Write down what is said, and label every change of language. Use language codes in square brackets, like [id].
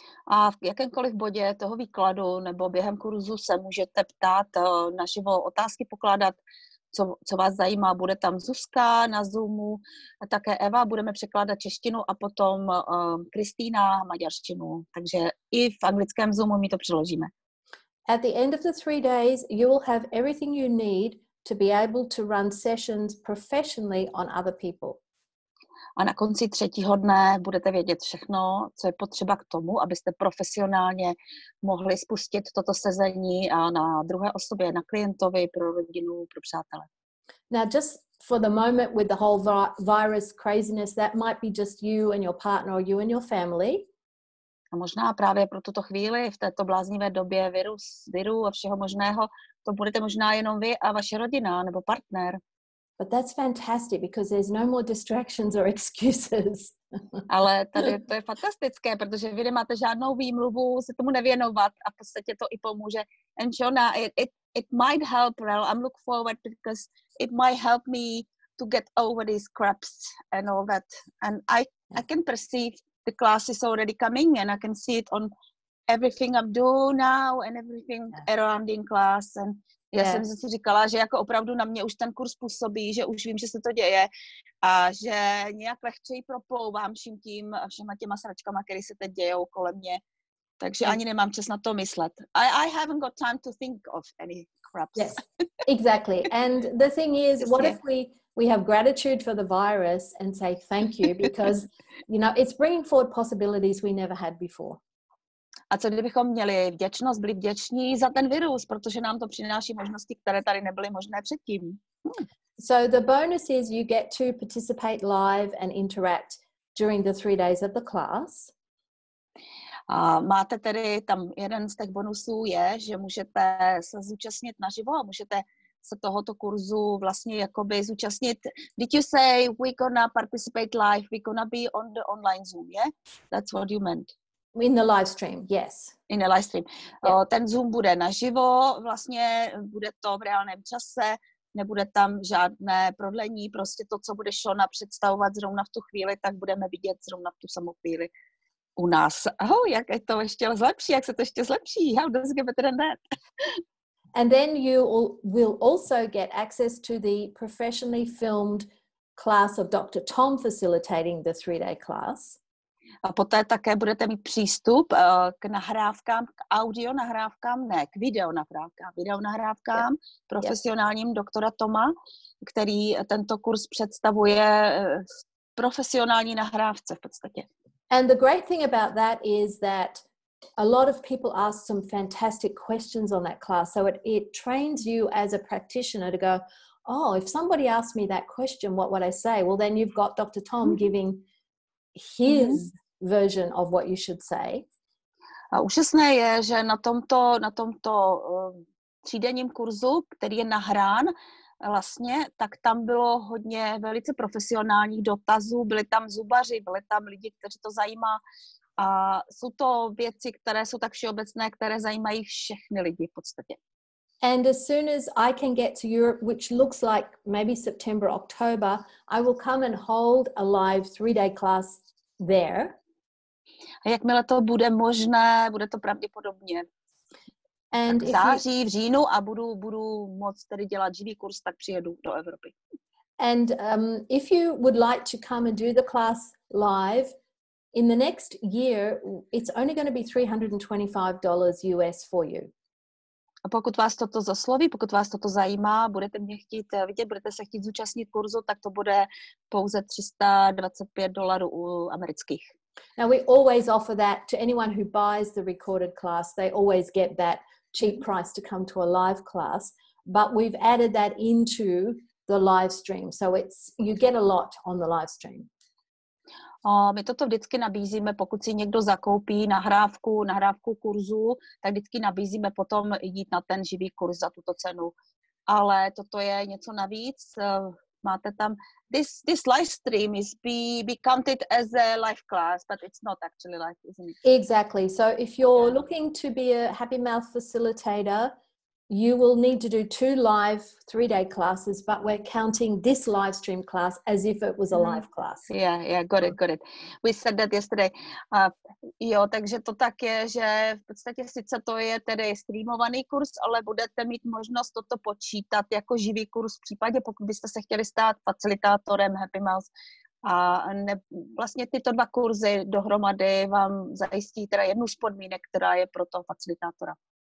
[cs] A v jakémkoliv bodě toho výkladu nebo během kurzu se můžete ptát, naživo otázky pokládat, co vás zajímá. Bude tam Zuzka na Zoomu, a také Eva, budeme překládat češtinu a potom Kristýna maďarštinu. Takže i v anglickém Zoomu my to přeložíme. [en] At the end of the 3 days, you will have everything you need to be able to run sessions professionally on other people. [cs] A na konci třetího dne budete vědět všechno, co je potřeba k tomu, abyste profesionálně mohli spustit toto sezení na druhé osobě, na klientovi, pro rodinu, pro přátele. [en] Now just for the moment with the whole virus craziness, that might be just you and your partner, you and your family. [cs] A možná právě pro tuto chvíli, v této bláznivé době viru a všeho možného, to budete možná jenom vy a vaše rodina nebo partner. [en] But that's fantastic because there's no more distractions or excuses. [cs] Ale tady to je fantastické, protože vy nemáte žádnou výmluvu se tomu nevěnovat a v podstatě to i pomůže. [en] And Shona, it might help, well, I'm looking forward because it might help me to get over these crabs and all that. And I can perceive the class is already coming and I can see it on everything I'm doing now and everything around in class. [cs] And já jsem si říkala, že jako opravdu na mě už ten kurz působí, že už vím, že se to děje a že nějak lehčeji proplouvám vším tím a všema těma sračkama, které se teď dějou kolem mě. Takže ani nemám čas na to myslet. [en] I haven't got time to think of any crap. Yes, exactly. And the thing is, what if we have gratitude for the virus and say thank you because, you know, it's bringing forward possibilities we never had before. [cs] A co kdybychom měli vděčnost, byli vděční za ten virus, protože nám to přináší možnosti, které tady nebyly možné předtím. [en] So the bonus is you get to participate live and interact during the 3 days of the class. [cs] A máte tedy tam jeden z těch bonusů je, že můžete se zúčastnit naživo a můžete se tohoto kurzu vlastně jakoby zúčastnit. [en] Did you say we gonna participate live, we gonna be on the online Zoom, yeah? That's what you meant. In the live stream, yes. In the live stream. Yeah. [cs] Ten Zoom bude naživo, vlastně bude to v reálném čase, nebude tam žádné prodlení, prostě to, co bude Šona představovat zrovna v tu chvíli, tak budeme vidět zrovna v tu samou chvíli u nás. Oh, jak je to ještě zlepší, jak se to ještě zlepší? [en] How does it get better than that? And then you will also get access to the professionally filmed class of Dr. Tom facilitating the 3-day class. [cs] A poté také budete mít přístup k nahrávkám, k audio nahrávkám, ne, k videonahrávkám profesionálním doktora Toma, který tento kurz představuje v profesionální nahrávce v podstatě. [en] And the great thing about that is that a lot of people ask some fantastic questions on that class, so it trains you as a practitioner to go, oh, if somebody asked me that question, what would I say? Well, then you've got Dr. Tom giving his version of what you should say. [cs] A úžasné je, že na tomto třídenním kurzu, který je nahrán, vlastně, tak tam bylo hodně velice profesionálních dotazů, byli tam zubaři, byli tam lidi, kteří to zajímá. A jsou to věci, které jsou tak všeobecné, které zajímají všechny lidi v podstatě. [en] And as soon as I can get to Europe, which looks like maybe September, October, I will come and hold a live 3-day class there. [cs] A jakmile to bude možné, bude to pravděpodobně. And tak v září, v říjnu a budu moct tedy dělat živý kurz, tak přijedu do Evropy. [en] And if you would like to come and do the class live, in the next year, it's only going to be $325 US for you. [cs] A pokud vás toto zasloví, pokud vás toto zajímá, budete mě chtít vidět, budete se chtít zúčastnit kurzu, tak to bude pouze $325 amerických. [en] Now we always offer that to anyone who buys the recorded class. They always get that cheap price to come to a live class, but we've added that into the live stream. So it's you get a lot on the live stream. [cs] My toto vždycky nabízíme, pokud si někdo zakoupí nahrávku kurzu, tak vždycky nabízíme potom jít na ten živý kurz za tuto cenu. Ale toto je něco navíc. Máte tam, [en] this live stream is be counted as a live class, but it's not actually live, isn't it? Exactly. So if you're looking to be a Happy Mouth facilitator, you will need to do 2 live 3-day classes, but we're counting this live stream class as if it was a live class. Yeah, got it. We said that yesterday. [cs] Jo, takže to tak je, že v podstatě sice to je tedy streamovaný kurz, ale budete mít možnost toto počítat jako živý kurz v případě, pokud byste se chtěli stát facilitátorem Happy Mouth. A ne, vlastně tyto 2 kurzy dohromady vám zajistí teda jednu z podmínek, která je pro toho facilitátora.